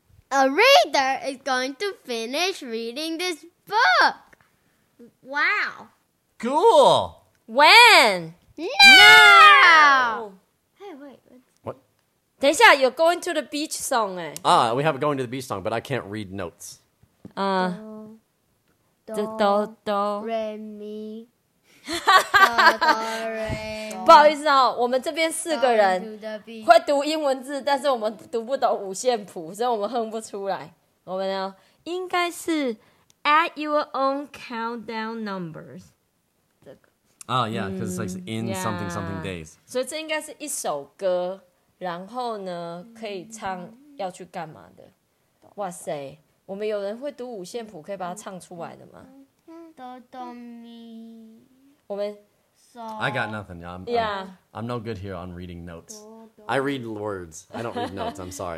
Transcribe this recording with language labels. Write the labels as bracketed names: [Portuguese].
[English] A reader is going to finish reading this book. Wow. Cool. When? Now! Hey, wait. What? [Chinese] 等一下, [English] you're going to the beach song. Ah, we have a going to the beach song, but I can't read notes. Do, re, mi. [Chinese] Do, 不好意思哦，我们这边四个人会读英文字，但是我们读不懂五线谱，所以我们哼不出来。我们呢，应该是 [English] at your own countdown numbers。 Oh yeah, because it's like in something something days. [Chinese] 所以这应该是一首歌，然后呢，可以唱要去干嘛的？哇塞，我们有人会读五线谱，可以把它唱出来的吗？哆哆咪。我们 [English] so, I got nothing. I'm, yeah. I'm no good here on reading notes. I read words. I don't read notes. I'm sorry.